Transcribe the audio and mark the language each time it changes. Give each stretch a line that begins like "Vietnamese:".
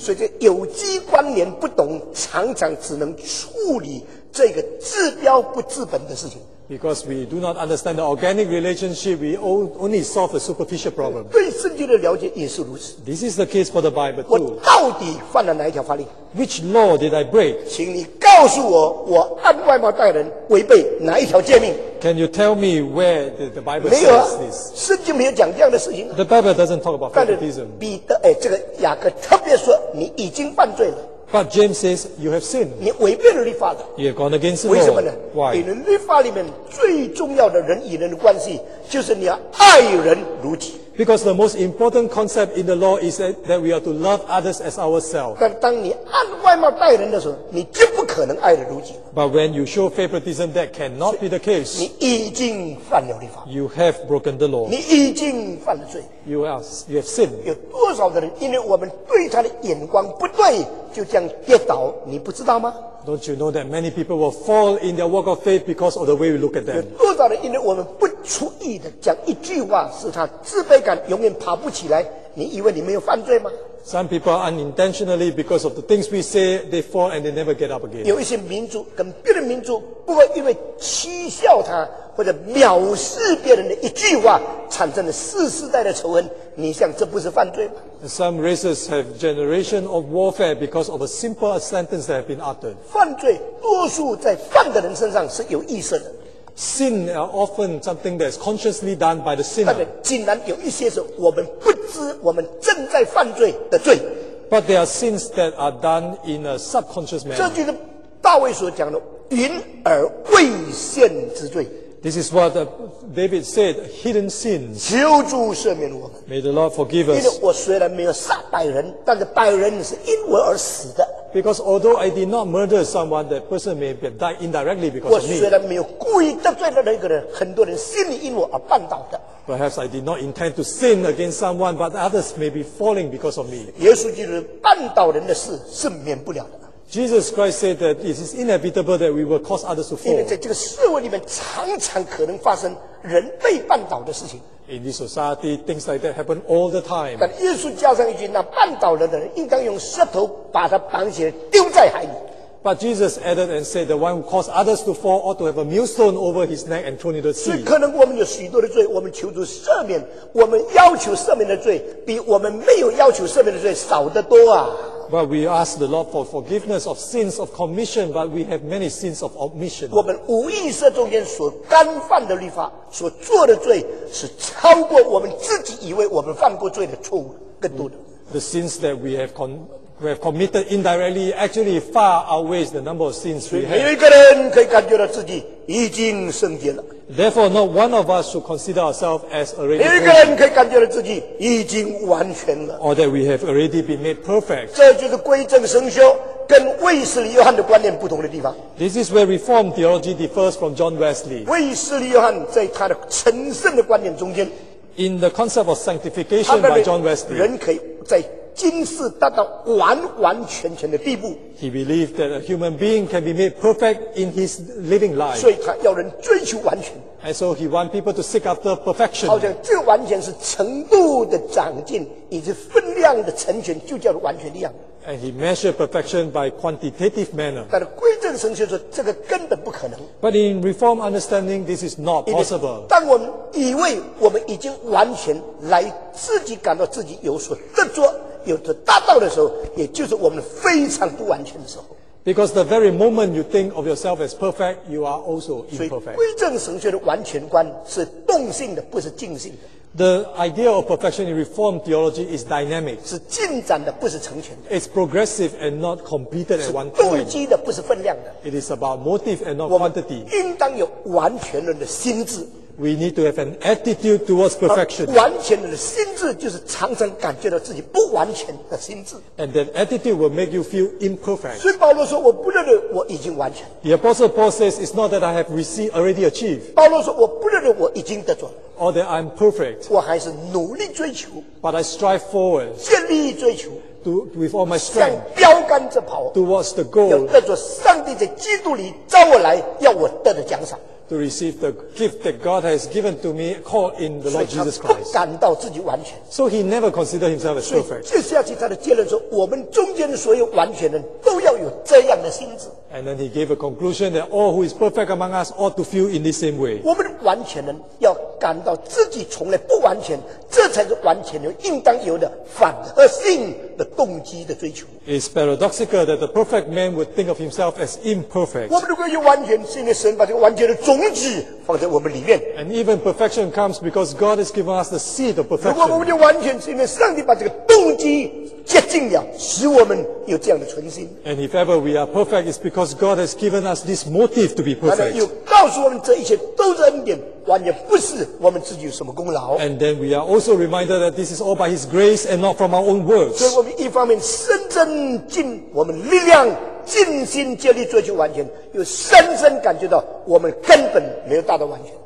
Chinese: 所以这有机关联不懂，常常只能处理这个治标不治本的事情。
English: Because we do not understand the organic relationship, we only solve a superficial problem.
Chinese: 对圣经的了解也是如此。
English: This is the case for the Bible too.
Chinese: 我到底犯了哪一条法令？
English: Which law did I break?
Chinese: 请你告诉我，我按外貌待人违背哪一条诫命？
English: Can you tell me where the Bible says this?
Chinese: 没有啊，圣经没有讲这样的事情。
English: The Bible doesn't talk about favoritism.
Chinese: 彼得，这个雅各特别说，你已经犯罪了。
English: But James says you have sinned.
Chinese: 你违背了律法的。
English: You have gone against the law.
Chinese: 为什么呢？
English: Why?
Chinese: 因为律法里面最重要的人与人的关系，就是你要爱人如己。
English: Because the most important concept in the law is that we are to love others as ourselves.
Chinese: 但当你按外貌待人的时候，你就不可能爱人如己。
English: But when you show favoritism, that cannot be the case.
Chinese: 你已经犯了律法。
English: You have broken the law.
Chinese: 你已经犯了罪。
English: You have sinned.
Chinese: 有多少的人，因为我们对他的眼光不对，就这样跌倒，你不知道吗？
English: Don't you know that many people will fall in their walk of faith because of the way we look at them?
Chinese: 有多少人，因为我们不注意的讲一句话，使他自卑感永远爬不起来，你以为你没有犯罪吗？
English: Some people unintentionally, because of the things we say, they fall and they never get up again.
Chinese: 有一些民族跟别的民族不会因为欺笑他或者藐视别人的一句话，产生了世世代的仇恨，你想这不是犯罪吗？
English: Some races have generation of warfare because of a simple sentence that have been uttered.
Chinese: 犯罪多数在犯的人身上是有意识的。
English: Sin are often something that is consciously done by the sinner.
Chinese: 但是竟然有一些是我们不知我们正在犯罪的罪。
English: But there are sins that are done in a subconscious manner.
Chinese: 这就是大卫所讲的隐而未现之罪。
English: This is what David said, hidden sins.
Chinese: 求主赦免我们。
English: May the Lord forgive us.
Chinese: 因为我虽然没有杀百人，但是百人是因我而死的。
English: Because although I did not murder someone, that person may have died indirectly because of me.
Chinese: 我虽然没有故意得罪了那个人，很多人心里因我而绊倒的。
English: Perhaps I did not intend to sin against someone, but others may be falling because of me.
Chinese: 耶稣基督绊倒人的事是免不了的。
English: Jesus Christ said that it is inevitable that we will cause others to fall.
Chinese: 因为在这个社会里面，常常可能发生人被绊倒的事情。
English: In this society, things like that happen all the time.
Chinese: 但耶稣加上一句，那绊倒人的人应当用石头把他绑起来丢在海里。
English: But Jesus added and said, the one who caused others to fall ought to have a millstone over his neck and thrown into the sea.
Chinese: 所以可能我们有许多的罪，我们求主赦免，我们要求赦免的罪比我们没有要求赦免的罪少得多啊。
English: But we ask the Lord for forgiveness of sins of commission, but we have many sins of omission.
Chinese: 我们无意识中间所干犯的律法，所做的罪，是超过我们自己以为我们犯过罪的错误更多的。
English: The sins that we have committed indirectly actually far outweighs the number of sins we have.
Chinese: 每一个人可以感觉到自己已经圣洁了。
English: Therefore, not one of us should consider ourselves as already perfect.
Chinese: 每一个人可以感觉到自己已经完全了。
English: Or that we have already been made perfect.
Chinese: 这就是归正神学跟卫斯理约翰的观念不同的地方。
English: This is where Reformed theology differs from John Wesley.
Chinese: 卫斯理约翰在他的成圣的观念中间。
English: In the concept of sanctification by John Wesley.
Chinese: 人可以在今世达到完完全全的地步。
English: He believed that a human being can be made perfect in his living life.
Chinese: 所以他要人追求完全。
English: And so he want people to seek after perfection.
Chinese: 好像这完全是程度的长进，以及分量的成全，就叫做完全的样子。
English: And he measured perfection by quantitative manner.
Chinese: 但是归正神学说这个根本不可能。
English: But in Reformed understanding, this is not possible.
Chinese: 当我们以为我们已经完全，来自己感到自己有所得着。有的达到的时候，也就是我们非常不完全的时候。
English: Because the very moment you think of yourself as perfect, you are also imperfect.
Chinese: 所以，归正神学的完全观是动性的，不是静性的。
English: The idea of perfection in Reformed theology is dynamic.
Chinese: 是进展的，不是成全的。
English: It's progressive and not completed at one point.
Chinese: 是动机的，不是分量的。
English: It is about motive and not quantity.
Chinese: 应当有完全人的心智。
English: We need to have an attitude towards perfection.
Chinese: 完全的心智就是常常感觉到自己不完全的心智。
English: And that attitude will make you feel imperfect.
Chinese: 所以保罗说，我不认为我已经完全。
English: The apostle Paul says, it's not that I have received already achieved.
Chinese: 保罗说，我不认为我已经得着。
English: Or that I'm perfect.
Chinese: 我还是努力追求。
English: But I strive forward.
Chinese: 竭力追求。
English: With all my strength,
Chinese: 向标杆着跑。
English: Towards the goal.
Chinese: 要得着上帝在基督里召我来，要我得的奖赏。
English: to receive the gift that God has given to me called in the Lord Jesus Christ.
Chinese: 感到自己完全。
English: So he never considered himself as perfect.
Chinese: 接下去他的结论说，我们中间所有完全人都要有这样的心智。
English: And then he gave a conclusion that all who is perfect among us ought to feel in the same way.
Chinese: 我们完全人要感到自己从来不完全，这才是完全人应当有的反合性的动机的追求。
English: It's paradoxical that the perfect man would think of himself as imperfect.
Chinese: 我们如果有完全信的神，把这个完全的种子放在我们里面。
English: And even perfection comes because God has given us the seed of perfection.
Chinese: 如果我们有完全信的上帝把这个动机接近了，使我们有这样的存心。
English: And if ever we are perfect, it's because God has given us this motive to be perfect.
Chinese: 又告诉我们这一切都是恩典，完全不是我们自己有什么功劳。
English: And then we are also reminded that this is all by His grace and not from our own works.
Chinese: 所以我们一方面深深尽我们力量尽心竭力追求完全，又深深感觉到我们根本没有达到完全。